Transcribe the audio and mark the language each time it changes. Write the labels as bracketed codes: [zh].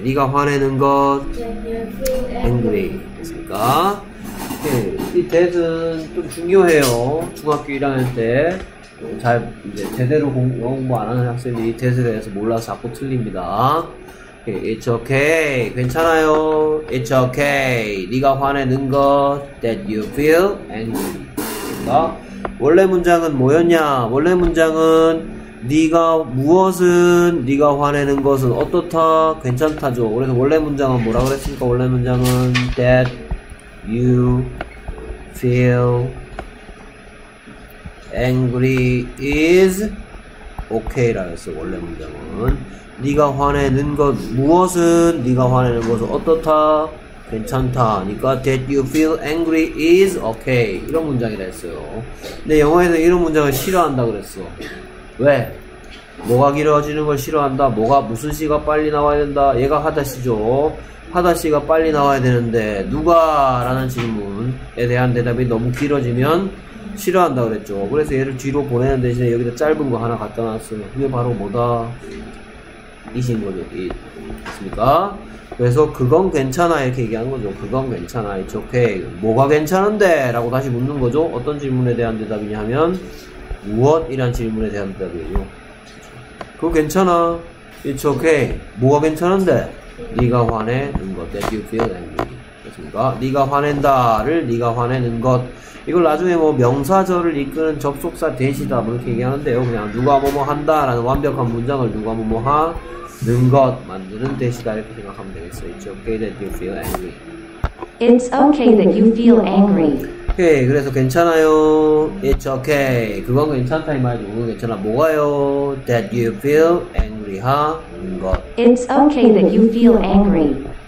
[ko] 네가 화내는 것. Angry. 됐습니까? 이 that은 좀 중요해요. 중학교 1학년 때 잘 이제 제대로 공부 안 하는 학생들이 that에 대해서 몰라서 자꾸 틀립니다. [en] It's okay. [ko] 괜찮아요. [en] It's okay. [ko] 네가 화내는 거 [en] that you feel angry. [ko] 원래 문장은 뭐였냐? 원래 문장은 네가 무엇은 네가 화내는 것은 어떻다? 괜찮다죠. 그래서 원래 문장은 뭐라 그랬습니까? 원래 문장은 [en] that you feel angry is okay [ko] 라였어. 원래 문장은 네가 화내는 것 무엇은 네가 화내는 것은 어떻다? 괜찮다. 그러니까 [en] that you feel angry is okay [ko] 이런 문장이라 했어요. 근데 영어에서 이런 문장을 싫어한다 그랬어. 왜? 뭐가 길어지는 걸 싫어한다. 뭐가 무슨 시가 빨리 나와야 된다. 얘가 하다시죠. 하다시가 빨리 나와야 되는데 누가 라는 질문에 대한 대답이 너무 길어지면 싫어한다 그랬죠. 그래서 얘를 뒤로 보내는 대신에 여기다 짧은 거 하나 갖다 놨어요. 그게 바로 뭐다? 이신 거죠. 이, 됐습니까? 그래서 그건 괜찮아 이렇게 얘기하는 거죠. 그건 괜찮아. [en] It's okay. [ko] 뭐가 괜찮은데? 라고 다시 묻는 거죠. 어떤 질문에 대한 대답이냐 하면 무엇이란 질문에 대한 대답이에요. 그거 괜찮아. [en] It's okay. [ko] 뭐가 괜찮은데? 네가 화내는 것. [en] That you feel angry. [ko] 됐습니까? 네가 화낸다를 네가 화내는 것. 이걸 나중에 뭐 명사절을 이끄는 접속사 대시다 뭐 이렇게 얘기하는데요. 그냥 누가 뭐뭐 한다 라는 완벽한 문장을 누가 뭐뭐 하는 것 만드는 대시다 이렇게 생각하면 되겠어요. [en] It's okay that you feel angry. It's okay that you feel angry. [ko] 오케이. 그래서 괜찮아요. [en] It's okay. [ko] 그건 괜찮다 이 말이죠. 그건 괜찮아. 뭐가요? [en] That you feel angry [ko] 하는 것. [en] It's okay that you feel angry.